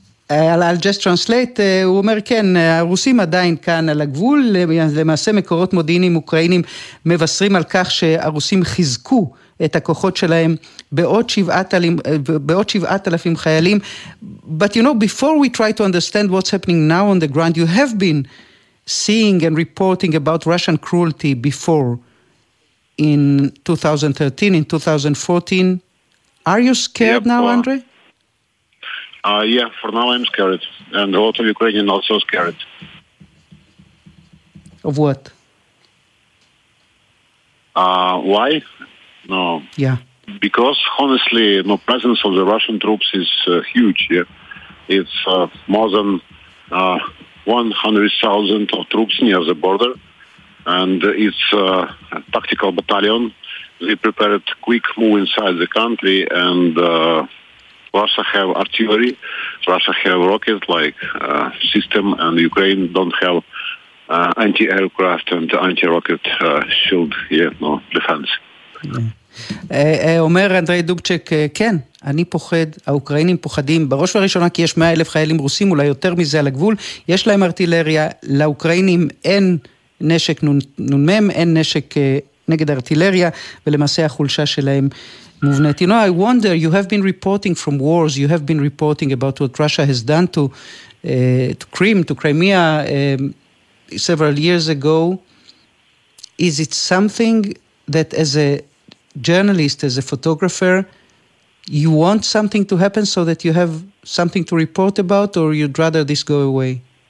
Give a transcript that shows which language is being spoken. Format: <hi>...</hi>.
<en>I'll just translate,</en> <he>הוא אומר כן, הרוסים עדיין כאן על הגבול, למעשה מקורות מודיעינים אוקראינים מבשרים על כך שהרוסים חיזקו את הכוחות שלהם בעוד 7,000 חיילים.</he> <en>But you know, before we try to understand what's happening now on the ground, you have been seeing and reporting about Russian cruelty before in 2013, in 2014. Are you scared now, Andrei? Yeah, for now I'm scared. And a lot of Ukrainians also scared. Of what? Why? No. Yeah. Because, honestly, the presence of the Russian troops is huge. Yeah. It's more than 100,000 of troops near the border. And it's a tactical battalion. They prepared a quick move inside the country and... Russia have artillery, Russia have rockets like system, and Ukraine don't have anti-aircraft and anti-rocket shield, yeah, no defense.</en> <he>אומר אנדריי דובצ'ק, כן, אני פוחד, האוקראינים פוחדים, בראש ובראשונה כי יש 100,000 חיילים רוסים, אולי יותר מזה על הגבול, יש להם ארטילריה, לאוקראינים אין נשק נונמם, אין נשק נגד ארטילריה, ולמעשה החולשה שלהם, movement.</he> <en>You know, I wonder, you have been reporting from wars, you have been reporting about what Russia has done to Crimea, several years ago. Is it something that as a journalist, as a photographer, you want something to happen so that you have something to report about, or you'd rather this go away?</en>